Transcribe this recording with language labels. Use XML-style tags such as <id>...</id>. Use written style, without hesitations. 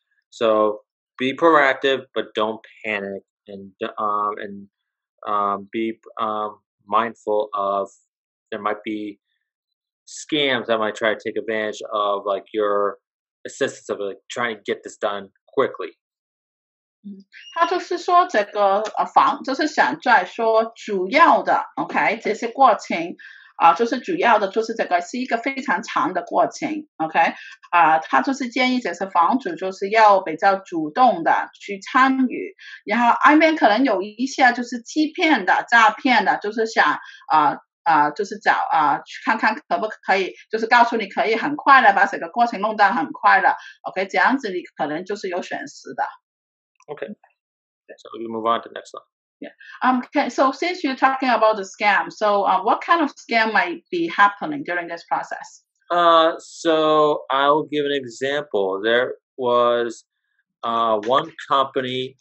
<en>So be proactive, but don't panic, and be mindful of there might be scams that might try to take advantage of like your. Assistance of trying to get this done quickly.</en> <zh>他就是说这个房就是想再说主要的 ，OK， 这些过程就是主要的，就是这个是一个非常长的过程 ，OK， 他就是建议这些房主就是要比较主动的去参与，然后外面可能有一些就是欺骗的、诈骗的，就是想就是找去看看可不可以，就是告诉你可以很快的把这个过程弄到很快的 ，OK， 这样子你可能就是有损失的。</zh> <en>Okay, so we move on to the next one. Yeah. Okay. So since you're talking about the scam, so what kind of scam might be happening during this process? So I'll give an example. There was one company.</en>